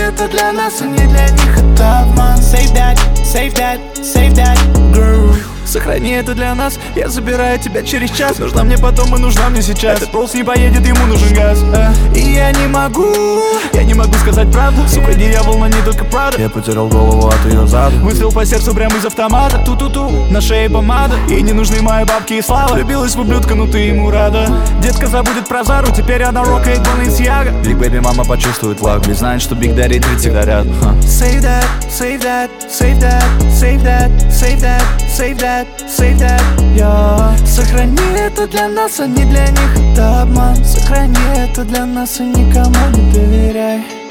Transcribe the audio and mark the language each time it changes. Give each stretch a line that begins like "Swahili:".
Russian: Для нас и не для них, это обман.
English: Save that, save that, save that, girl.
Russian: Сохрани это для нас, я забираю тебя через час. Нужна мне потом и нужна мне сейчас. Этот пульс не поедет, ему нужен газ. И я не могу сказать правду. Сука, не я был, но не только правда. Я потерял голову от ее зада. Выстрел по сердцу прямо из автомата. Ту-ту-ту, на шее помада. Ей не нужны мои бабки и слава. Влюбилась в ублюдка, но ты ему рада. Детка забудет про Зару, теперь она рокает Balenciaga. Биг бэби мама почувствует влагу. Ведь знает, что Биг Дэдди тридцать всегда рядом.
English: Save that, save that, save that, save that, save that, save that, save that. Save that, yeah.
Russian: Сохрани это для нас, а не для них, это обман. Сохрани это для нас и никому не доверяй.